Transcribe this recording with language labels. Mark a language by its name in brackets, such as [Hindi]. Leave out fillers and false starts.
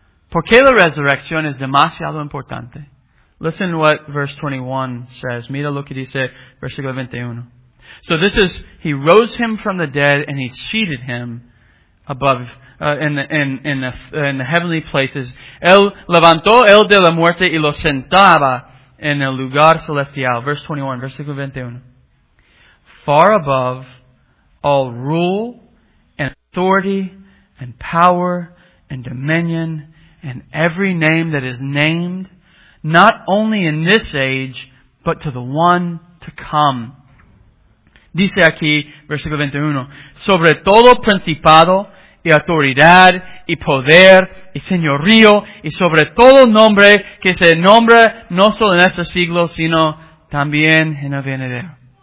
[Spanish] ¿Por qué la resurrección es demasiado importante? [English] Listen to what verse 21 says. [Spanish] Mira lo que dice versículo 21. [English] So this is, he rose him from the dead and he seated him above, in the heavenly places. [Spanish] Él levantó él de la muerte y lo sentaba en el lugar celestial. [English] Verse 21, versículo 21. Far above all rule and authority and power and dominion and every name that is named, not only in this age, but to the one to come. [Spanish] Dice aquí, versículo 21, sobre todo principado y autoridad y poder y señorío y sobre todo nombre que se nombra no solo en este siglo, sino también en el venidero.